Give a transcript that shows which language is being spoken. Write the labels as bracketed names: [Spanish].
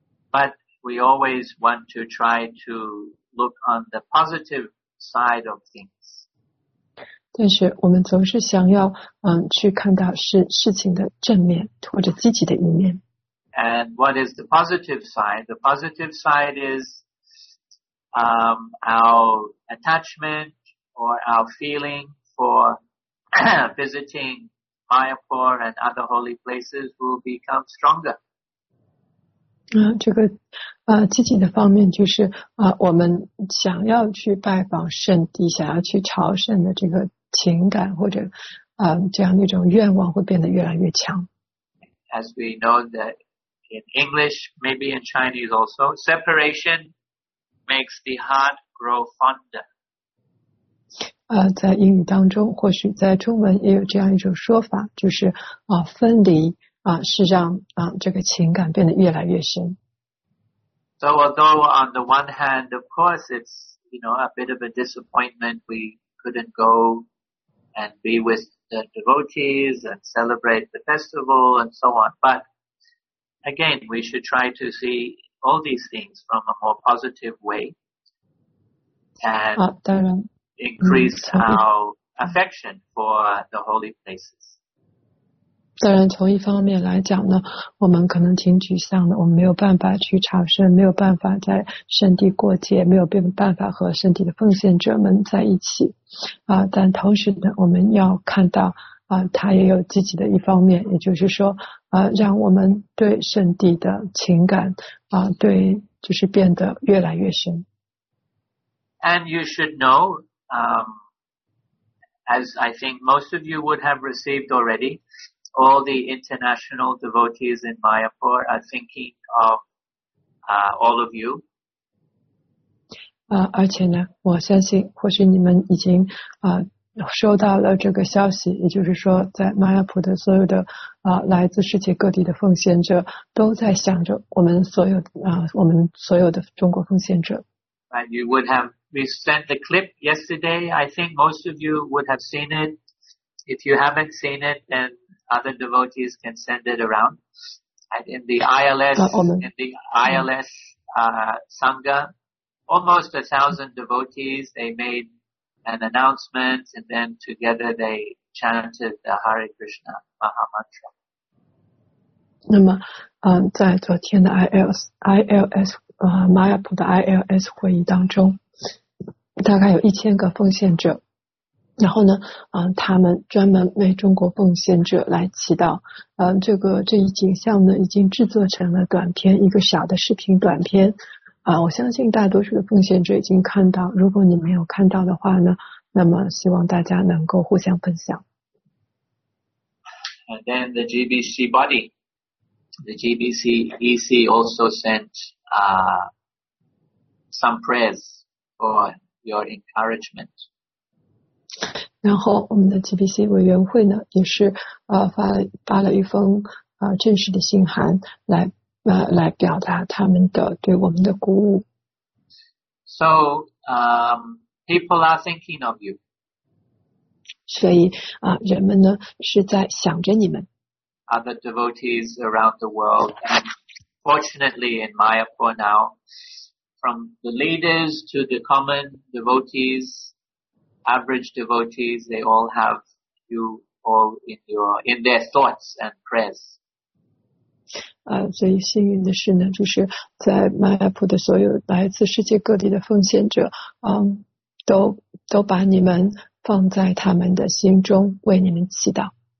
[English] But we always want to try to look on the positive side of things. [Chinese] 但是我们总是想要，去看到事情的正面或者积极的一面。 [English] And what is the positive side? The positive side is, our attachment or our feeling for. Visiting Mayapur and other holy places will become stronger. [Chinese] 这个积极的方面就是我们想要去拜访圣地，想要去朝圣的这个情感或者这样一种愿望会变得越来越强。 [English] As we know that in English, maybe in Chinese also, separation makes the heart grow fonder. [Chinese] 在英语当中，或许在中文也有这样一种说法，就是分离是让这个情感变得越来越深。 [English] So although on the one hand, of course, it's, you know, a bit of a disappointment we couldn't go and be with the devotees and celebrate the festival and so on. But again, we should try to see all these things from a more positive way and increase our affection for the holy places. [Chinese] 当然从一方面来讲呢，我们可能挺沮丧的，我们没有办法去朝圣，没有办法在圣地过节，没有办法和圣地的奉献者们在一起但同时呢，我们要看到他也有自己的一方面，也就是说让我们对圣地的情感对就是变得越来越深。 [English] And you should know as I think most of you would have received alreadyAll the international devotees in Mayapur are thinking of all of you. [Chinese] 而且呢，我相信或许你们已经收到了这个消息，也就是说，在 Mayapur 的所有的来自世界各地的奉献者都在想着我们所有我们所有的中国奉献者。 [English] And you would have we sent the clip yesterday. I think most of you would have seen it. If you haven't seen it, then other devotees can send it around. And in the ILS, Sangha, almost 1,000 devotees, they made an announcement and then together they chanted the Hare Krishna Maha Mantra. [Chinese] 那么在昨天的 ILS, Mayapur 的 ILS 会议当中，大概有1000个奉献者。然后呢他们专门为中国奉献者来祈祷这一景象呢已经制作成了短片，一个小的视频短片我相信大多数的奉献者已经看到，如果你没有看到的话呢，那么希望大家能够互相分享。 [English] And then the GBC body, the GBC EC also sent some prayers for your encouragement. [Chinese] 然后我们的 GBC 委员会呢也是发了一封正式的信函来表达他们的对我们的鼓舞。 [English] So, people are thinking of you. [Chinese] 所以人们呢是在想着你们。 [English] Other devotees around the world, and fortunately in Mayapur now, from the leaders to the common devotees,average devotees, they all have you all in their thoughts and prayers. [Chinese] 所以幸运的是呢，就是在 Mayapur 的所有来自世界各地的奉献者，都把你们放在他们的心中，为你们祈祷。